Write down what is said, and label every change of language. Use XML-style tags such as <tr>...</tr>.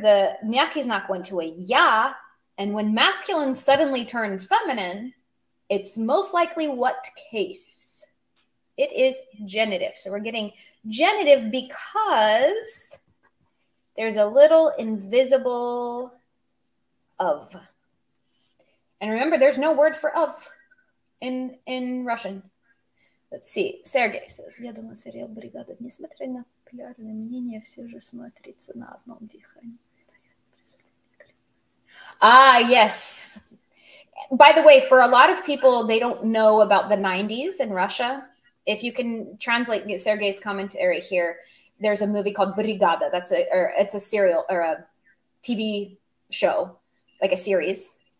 <en>The miyaki is not going to a ya. And when masculine suddenly turned feminine, it's most likely what case? It is genitive. So we're getting genitive because there's a little invisible of. And remember, there's no word for of in Russian. Let's see. Sergey says,</en> <ru>Я думаю, сериал «Бригада», несмотря на популярное мнение, все же смотрится на одном дыхании.</ru> <en>Ah, yes. By the way, for a lot of people, they don't know about the 90s in Russia. If you can translate Sergey's commentary here, there's a movie called «Бригада». That's a, or it's a serial or a TV show, like a series.</en>